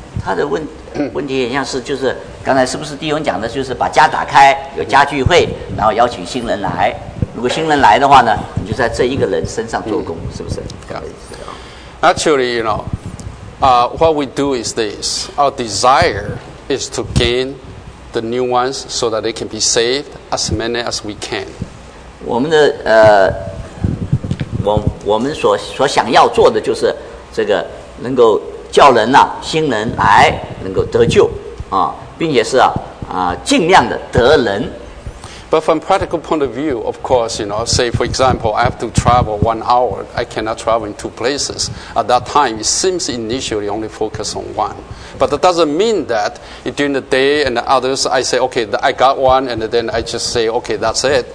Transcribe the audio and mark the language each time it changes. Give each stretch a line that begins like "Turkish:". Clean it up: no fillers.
Chinese: 他的问题一样是，就是刚才是不是弟兄讲的，就是把家打开，有家聚会，然后邀请新人来。如果新人来的话呢，你就在这一个人身上做工，是不是？
English: Yeah. Actually, you know, what we do is this. Our desire is to gain the new ones so that they can be saved as many as we can.
Chinese: 我们的我们所想要做的就是这个能够叫人啊新人来能够得救啊，并且是啊尽量的得人。
English: But from a practical point of view, of course, you know, say, for example, I have to travel 1 hour. I cannot travel in two places. At that time, it seems initially only focus on one. But that doesn't mean that during the day and the others, I say, okay, I got one, and then I just say, okay, that's it.